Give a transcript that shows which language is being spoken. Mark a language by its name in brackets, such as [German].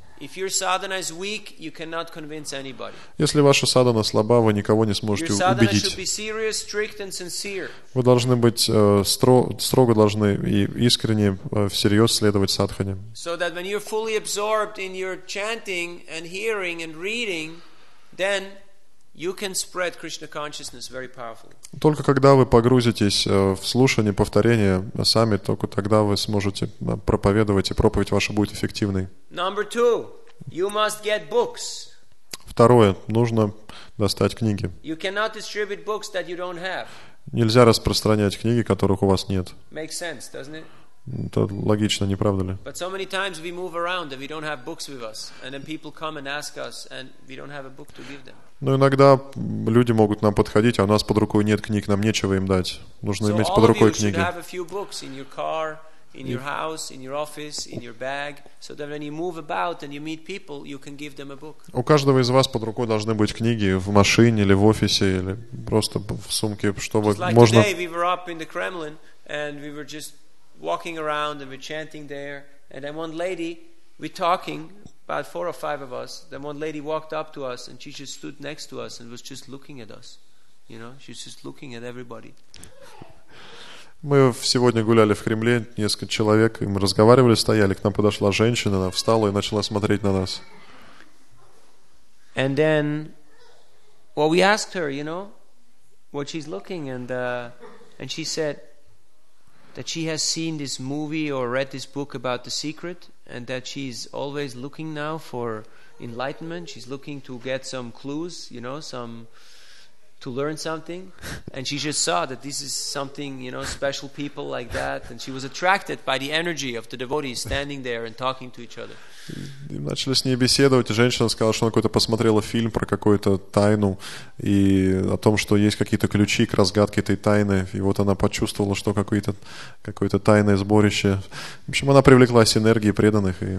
[English] If your sadhana is weak, you cannot convince anybody. [Russian] Если ваша садхана слаба, вы никого не сможете убедить. [English] Your sadhana should be serious, strict and sincere. [Russian] Вы должны быть строго должны и искренне всерьез следовать садхане. [English] So that when you're fully absorbed in your chanting and hearing and reading, then you can spread Krishna consciousness very powerfully. [Russian] Только когда вы погрузитесь в слушание, повторение сами, только тогда вы сможете проповедовать, и проповедь ваша будет эффективной. [English] Number two, you must get books. [Russian] Второе, нужно достать книги. [English] You cannot distribute books that you don't have. [Russian] Нельзя распространять книги, которых у вас нет. [English] Makes sense, doesn't it? [Russian] Это логично, не правда ли? [English] But so many times we move around and we don't have books with us, and then people come and ask us, and we don't have a book to give them. [Russian] Но иногда люди могут нам подходить, а у нас под рукой нет книг, нам нечего им дать. Нужно [English] so [Russian] иметь под рукой книги. [English] So all of you should have a few books in your car, in your house, in your office, in your bag, so that when you move about and you meet people, you can give them a book. [Russian] У каждого из вас под рукой должны быть книги в машине или в офисе или просто в сумке, чтобы можно. [English] Just like today, we were up in the Kremlin and we were just walking around and we're chanting there, and then one lady, we're talking, about four or five of us, then one lady walked up to us and she just stood next to us and was just looking at us, you know, she's just looking at everybody. [Russian] Мы сегодня гуляли в Кремле, несколько человек, и мы разговаривали, стояли, к нам подошла женщина, она встала и начала смотреть на нас. And then, well, we asked her, you know, what she's looking, and she said that she has seen this movie or read this book about the secret, and that she's always looking now for enlightenment, she's looking to get some clues, you know, some to learn something, and she just saw that this is something, you know, special people like that, and she was attracted by the energy of the devotees standing there and talking to each other. И начали с ней беседовать, и женщина сказала, что она какой-то посмотрела фильм про какую-то тайну и о том, что есть какие-то ключи к разгадке этой тайны, и вот она почувствовала, что какое-то тайное сборище. В общем, она привлеклась энергией преданных.